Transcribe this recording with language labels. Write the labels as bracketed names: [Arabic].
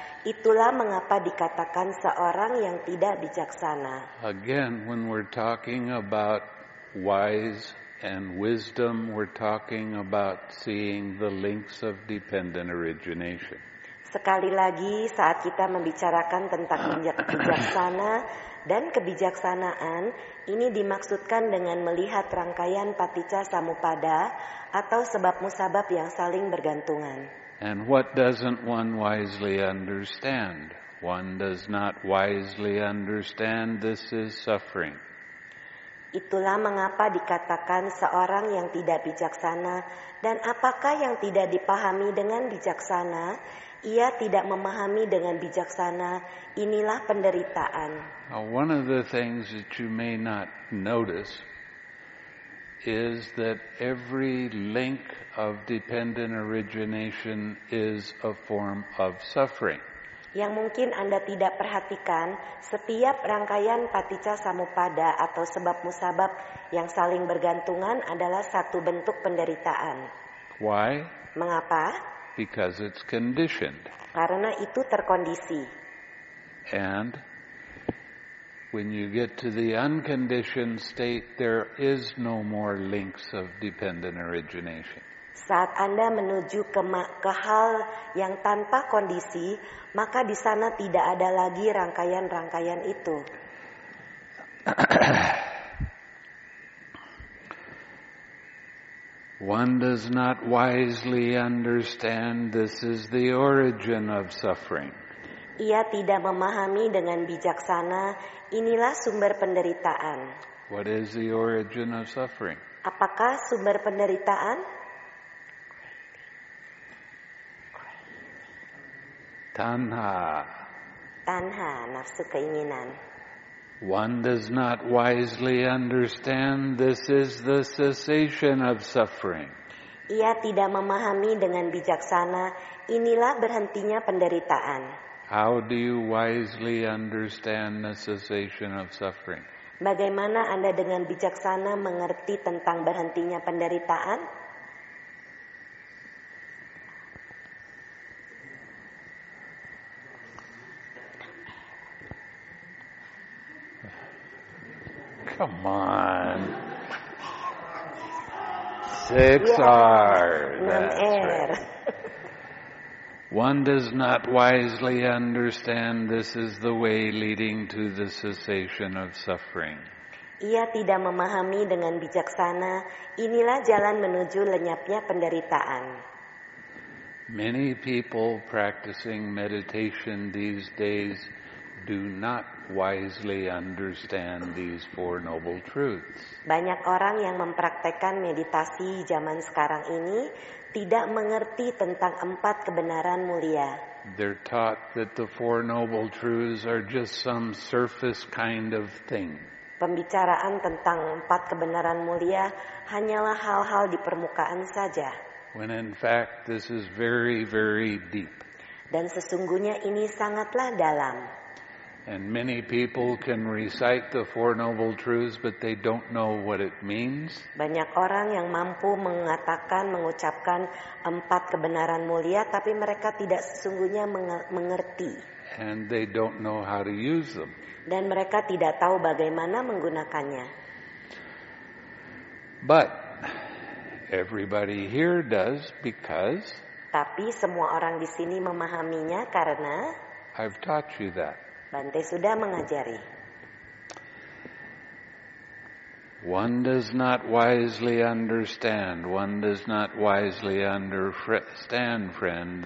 [Indonesian] Itulah mengapa dikatakan seorang yang tidak bijaksana. [English] Again, when we're talking about wise and wisdom, we're talking about seeing the links of dependent origination. [Indonesian] Sekali lagi, saat kita membicarakan tentang bijaksana dan kebijaksanaan, ini dimaksudkan dengan melihat rangkaian paticca samuppada atau sebab-musabab yang saling bergantungan. [English] And what doesn't one wisely understand? One does not wisely understand this is suffering. [Indonesian] Itulah mengapa dikatakan seorang yang tidak bijaksana. Dan apakah yang tidak dipahami dengan bijaksana? Ia tidak memahami dengan bijaksana. Inilah penderitaan. [English] One of the things that you may not notice is that every link of dependent origination is a form of suffering. [Indonesian] Yang mungkin Anda tidak perhatikan, setiap rangkaian paticca samuppada atau sebab musabab yang saling bergantungan adalah satu bentuk penderitaan. [English] Why? [Indonesian] Mengapa? [English] Because it's conditioned. [Indonesian] Karena itu terkondisi. [English] And when you get to the unconditioned state, there is no more links of dependent origination. [Indonesian] Saat Anda menuju ke hal yang tanpa kondisi, maka di sana tidak ada lagi rangkaian-rangkaian itu. (Tuh) [English] One does not wisely understand this is the origin of suffering. [Indonesian] Ia tidak memahami dengan bijaksana inilah sumber penderitaan. [English] What is the origin of suffering? [Indonesian] Apakah sumber penderitaan? Tanha, nafsu keinginan. [English] One does not wisely understand this is the cessation of suffering. [Indonesian] Ia tidak memahami dengan bijaksana inilah berhentinya penderitaan. [English] How do you wisely understand the cessation of suffering? [Indonesian] Bagaimana Anda dengan bijaksana mengerti tentang berhentinya penderitaan? [English] Come on. 6R. That's right. One does not wisely understand this is the way leading to the cessation of suffering. [Indonesian] Ia tidak memahami dengan bijaksana inilah jalan menuju lenyapnya penderitaan. [English] Many people practicing meditation these days do not wisely understand these four noble truths. [Indonesian] Banyak orang yang mempraktikkan meditasi zaman sekarang ini tidak mengerti tentang empat kebenaran mulia. [English] They're taught that the four noble truths are just some surface kind of thing. [Indonesian] Pembicaraan tentang empat kebenaran mulia hanyalah hal-hal di permukaan saja. [English] When in fact this is very, very deep. [Indonesian] Dan sesungguhnya ini sangatlah dalam. [English] And many people can recite the Four Noble Truths, but they don't know what it means. [Indonesian] Banyak orang yang mampu mengucapkan empat kebenaran mulia, tapi mereka tidak sesungguhnya mengerti. [English] And they don't know how to use them. [Indonesian] Dan mereka tidak tahu bagaimana menggunakannya. [English] But everybody here does because. [Indonesian] Tapi semua orang di sini memahaminya karena. [English] I've taught you that. [Indonesian] Bante sudah mengajari. [English] One does not wisely understand. One does not wisely understand, friend.